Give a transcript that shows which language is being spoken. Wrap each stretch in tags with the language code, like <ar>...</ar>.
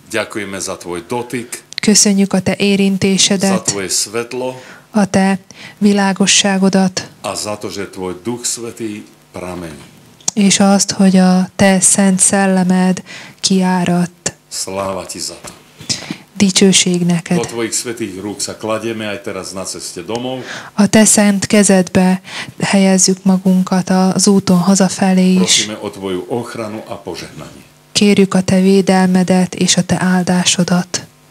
<sk>Ďakujeme za tvoj dotyk.</sk> <hu>Köszönjük a te érintésedet.</hu> <sk>Za tvoje svetlo.</sk> <hu>A te világosságodat.</hu> <sk>A za to, že tvoj Duch Svätý pramení.</sk> <hu>És azt, hogy a te Szent Szellemed kiáradt.</hu> <sk>Sláva ti za to.</sk> <hu>Dicsőség neked.</hu> <sk>Do tvojich svätých rúk sa kladieme aj teraz na ceste domov.</sk> <hu>A te szent kezedbe helyezzük magunkat az úton hazafelé is.</hu> <sk>Prosíme o tvoju ochranu a požehnanie.</sk> <hu>Kérjük a te védelmedet és a te áldásodat.</hu>